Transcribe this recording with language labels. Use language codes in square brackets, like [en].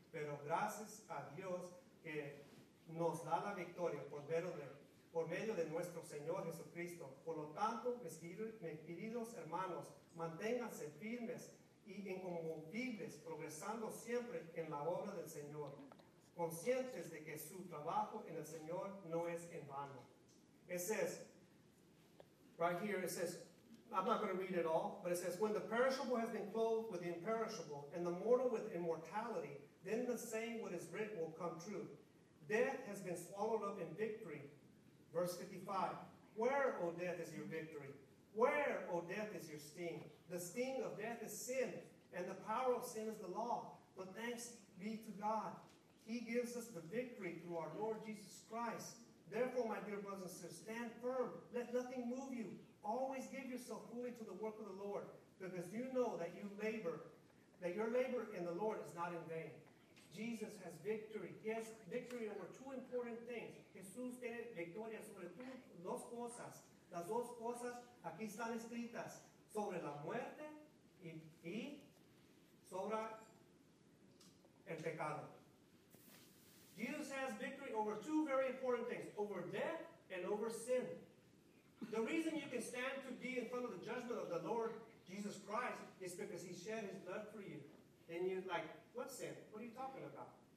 [es] Pero gracias a Dios que nos da la victoria por medio de nuestro Señor Jesucristo. Por lo tanto, mis queridos hermanos, manténganse firmes y inconmovibles, progresando siempre en la obra del Señor, conscientes de que su trabajo en el Señor no es en vano. [en] It says, right here, it says, I'm not going to read it all, but it says, when the perishable has been clothed with the imperishable, and the mortal with immortality, then the saying what is written will come true. Death has been swallowed up in victory. Verse 55, where, O death, is your victory? Where, O death, is your sting? The sting of death is sin, and the power of sin is the law. But thanks be to God. He gives us the victory through our Lord Jesus Christ. Therefore, my dear brothers and sisters, stand firm. Let nothing move you. Always give yourself fully to the work of the Lord, because you know that your labor in the Lord is not in vain. Jesus has victory. He has victory over two important things. [es] Jesús tiene victoria sobre dos cosas. Las dos cosas aquí están escritas. Sobre la muerte y sobre el pecado. [en] Jesus has victory over two very important things. Over death and over sin. The reason you can stand to be in front of the judgment of the Lord Jesus Christ is because he shed his blood for you. And you're like, what sin? What are you talking about?